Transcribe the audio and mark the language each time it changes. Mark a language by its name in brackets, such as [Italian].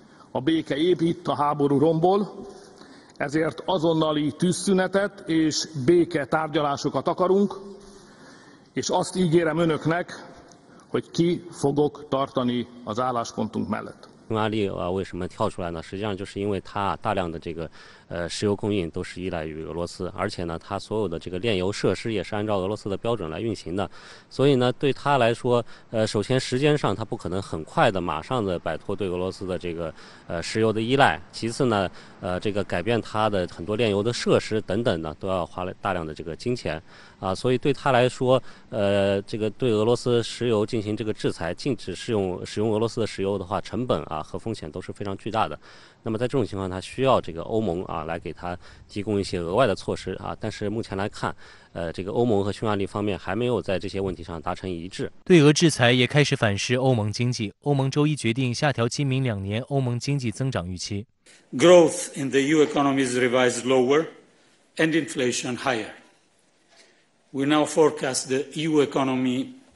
[Hungarian] A béke épít a háború rombol, ezért azonnali tűzszünetet és béke tárgyalásokat akarunk, és azt ígérem önöknek, hogy ki fogok tartani az álláspontunk mellett. [Chinese] 匈牙利啊，为什么跳出来呢？实际上就是因为它大量的这个石油供应都是依赖于俄罗斯，而且呢，它所有的这个炼油设施也是按照俄罗斯的标准来运行的，所以呢，对它来说，首先时间上它不可能很快的马上的摆脱对俄罗斯的这个石油的依赖，其次呢，这个改变它的很多炼油的设施等等呢，都要花了大量的这个金钱。啊，所以对他来说，这个对俄罗斯石油进行这个制裁，禁止使用俄罗斯的石油的话，成本啊和风险都是非常巨大的。那么在这种情况，他需要这个欧盟啊来给他提供一些额外的措施啊。但是目前来看，这个欧盟和匈牙利方面还没有在这些问题上达成一致。对俄制裁也开始反噬欧盟经济。欧盟周一决定下调今明两年欧盟经济增长预期。 [English] Growth in the EU economy is revised lower, and inflation higher.We now forecast the EU economy